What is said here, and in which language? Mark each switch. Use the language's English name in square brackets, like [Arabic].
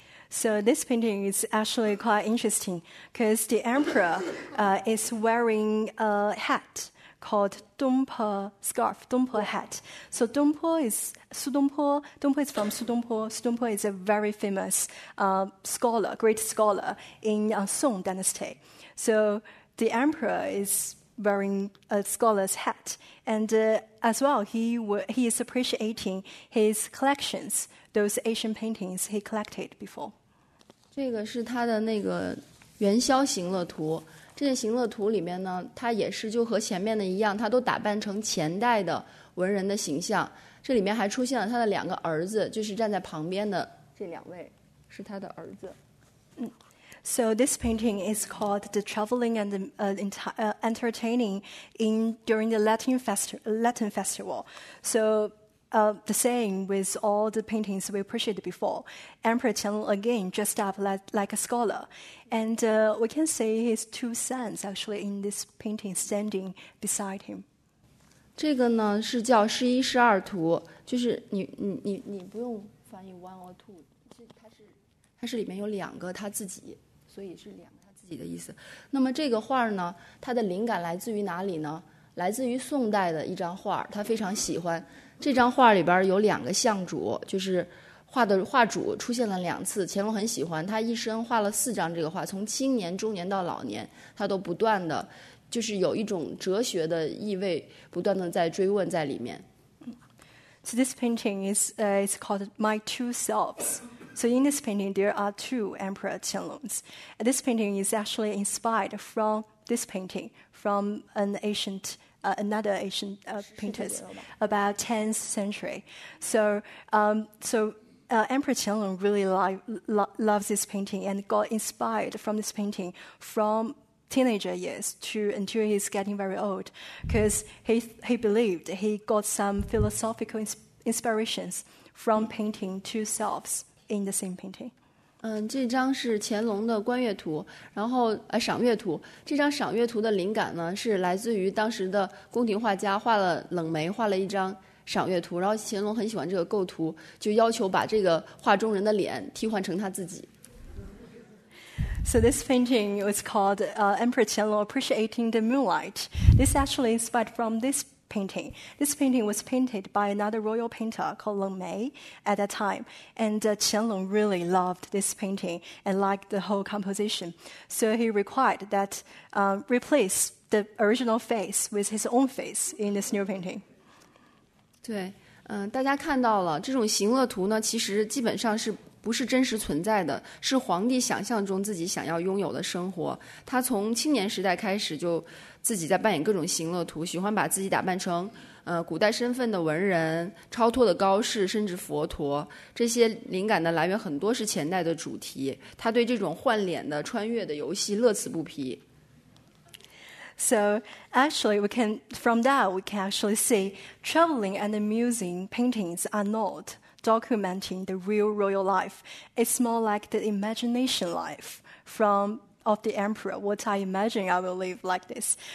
[English] So this painting is actually quite interesting because the emperor is wearing a hat called Dongpo scarf, Dongpo hat. So Dongpo is Su Dongpo. Dongpo is from Su Dongpo. Su Dongpo is a very famous scholar, great scholar in Song Dynasty. So the emperor is wearing a scholar's hat, and as well he is appreciating his collections, those ancient paintings he collected before. [Chinese] 这个是他的那个元宵行乐图，这件行乐图里面呢，他也是就和前面的一样，他都打扮成前代的文人的形象。这里面还出现了他的两个儿子，就是站在旁边的这两位是他的儿子。 [English] So this painting is called the traveling and entertaining in during the Latin festival. So. The same with all the paintings we appreciated before. Emperor Qianlong again dressed up like a scholar. And we can see his two sons actually in this painting standing beside him. [Chinese] 这个呢是叫十一十二图，就是你不用翻译 [English] one or two， [Chinese] 它是里面有两个他自己，所以是两个他自己的意思。那么这个画呢，它的灵感来自于哪里呢？来自于宋代的一张画，他非常喜欢。这张画里边有两个相主，就是画的画主出现了两次，乾隆很喜欢，他一生画了四张这个画，从青年中年到老年，他都不断的就是有一种哲学的意味不断的在追问在里面。 [English] So this painting is called My Two Selves. So in this painting there are two Emperor Qianlongs. This painting is actually inspired from this painting from an ancientanother ancient painters about 10th century. So, Emperor Qianlong really loves this painting and got inspired from this painting from teenager years to until he's getting very old, because he believed he got some philosophical inspirations from painting two selves in the same painting. [Chinese] 这张是乾隆的观阅图，然后赏阅图。这张赏阅图的灵感呢，是来自于当时的宫廷画家画了冷梅，画了一张赏阅图。然后乾隆很喜欢这个构图，就要求把这个画中人的脸替换成他自己。 [English] So this painting was called Emperor Qianlong appreciating the moonlight. This actually inspired from this. Painting. This painting was painted by another royal painter called Leng Mei at that time, and Qianlong really loved this painting and liked the whole composition. So he required that replace the original face with his own face in this new painting. [Chinese] 对，大家看到了这种行乐图呢，其实基本上是不是真实存在的，是皇帝想象中自己想要拥有的生活。他从青年时代开始就自己在扮演各种行乐图，喜欢把自己打扮成古代身份的文人、超脱的高士，甚至佛陀。这些灵感的来源很多是前代的主题，他对这种换脸的穿越的游戏乐此不疲。 [English] So actually, we can from that we can actually see traveling and amusing paintings are not documenting the real royal life. It's more like the imagination life of the emperor. What I imagine I will live like this.